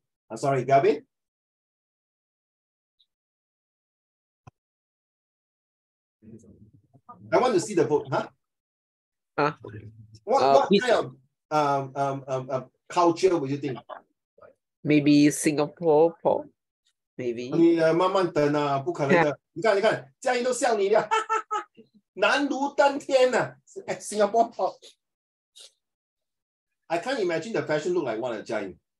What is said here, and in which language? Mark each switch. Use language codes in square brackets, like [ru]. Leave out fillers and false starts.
[en] I'm sorry, Gavin? I want to see the vote, What kind of culture would you think? Maybe Singapore pop, maybe. [zh] 你慢慢等啊，不可能的。你看，你看，这样都像你了，难如登天啊！ [en] Singapore pop. I can't imagine the fashion look like one of Jiayin.